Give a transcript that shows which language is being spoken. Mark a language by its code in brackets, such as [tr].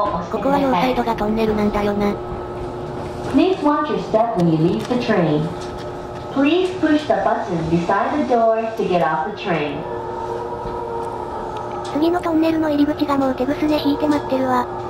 [ja] ここは両サイドがトンネルなんだよな。 [en] Please watch your step when you leave the train. Please push the button beside the door to get off the train. [ja] 次のトンネルの入り口がもう手ぐすね引いて待ってるわ。